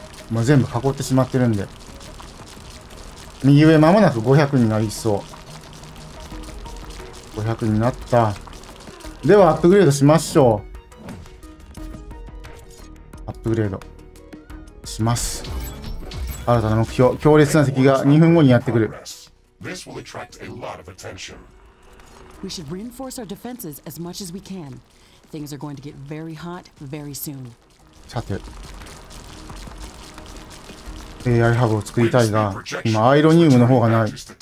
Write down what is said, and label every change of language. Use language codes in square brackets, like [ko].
[ja] もう全部囲ってしまってるんで。右上まもなく500になりそう。500になった。ではアップグレードしましょう。アップグレードします。新たな目標、強烈な敵が2分後にやってくる。 [en] This will attract a lot of attention. We should reinforce our defenses as much as we can. Things are going to get very hot very soon. [ja] さて、AI ハブを作りたいが、今アイロニウムの方がない。